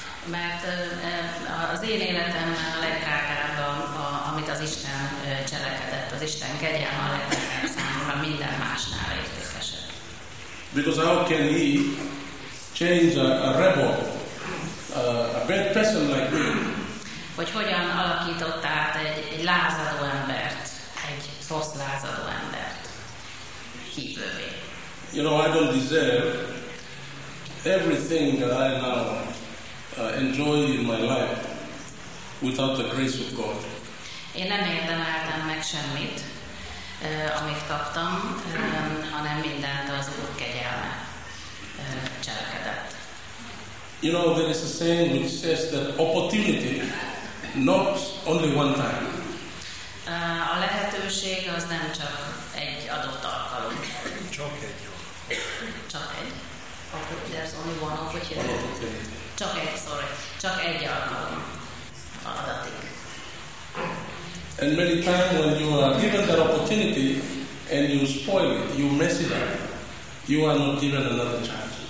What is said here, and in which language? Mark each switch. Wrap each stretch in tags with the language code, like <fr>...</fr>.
<hu>Mert az én életemben a legdrágább, amit az Isten cselekedett, az Isten kegyelme a legdrágább számomra, minden másnál értékesebb.</hu> <en>Because how can he change a rebel, a bad person like me?</en> <hu>Hogy hogyan alakított át egy lázadó embert, egy rossz lázadó embert hívővé?</hu> <en>You know, I don't deserve everything that I now enjoy in my life without the grace of God.</en> <hu>Én nem érdemeltem meg semmit, amit kaptam, hanem mindent az Úr kegyelme cselekedett.</hu> <en>You know, there is a saying which says that opportunity knocks only one time.</en> <hu>A lehetőség az nem csak egy adott alkalom. Csak egy. Csak egy.</hu> <en>There's only one opportunity.</en> <hu>Csak egy alkalom adatik.</hu> <en>And many times when you are given that opportunity and you spoil it, you mess it up, you are not given another chance.</en>